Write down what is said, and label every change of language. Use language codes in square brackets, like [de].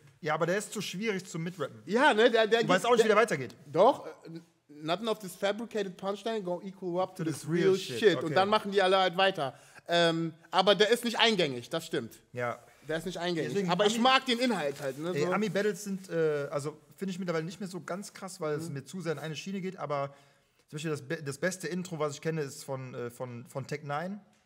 [de] Ja, aber der ist zu schwierig zum Mitrappen. Ja, ne? Der du weißt auch nicht, wie der weitergeht. Doch. [en] Nothing of this fabricated punchline go equal up to this real shit. [de] Okay. Und dann machen die alle halt weiter. Aber der ist nicht eingängig, das stimmt. Ja. Der ist nicht eingängig. Deswegen, aber ich mag den Inhalt halt. Ne, so. Ami-Battles sind, also finde ich mittlerweile nicht mehr so ganz krass, weil es mir zu sehr in eine Schiene geht. Aber zum Beispiel das beste Intro, was ich kenne, ist von Tech N9ne.